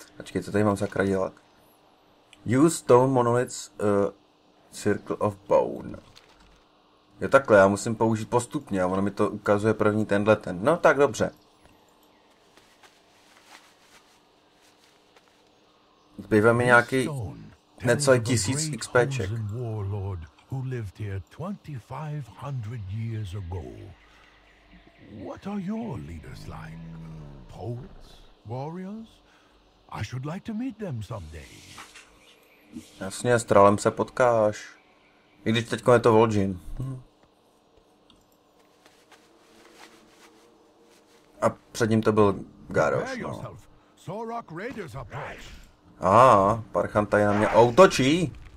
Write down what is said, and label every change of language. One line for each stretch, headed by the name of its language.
Czech: Ačkej, co tady mám sakra dělat?
English: Use stone monolith circle of bone.
Czech: Jo, takhle, já musím použít postupně a ono mi to ukazuje první tenhle ten. No tak dobře. Zbývá mi nějaký necelý 1000 XPček.
English: Warlord, who lived here 2500 years ago. What are your leaders like? Poets? Warriors? I should like to meet them someday.
Czech: Jasně, s trálem se potkáš. I když teďko je to Vol'jin. A před ním to byl Garrosh, no.
English: Sorok Raiders approach.
Czech: Parchanta je na mě outočí.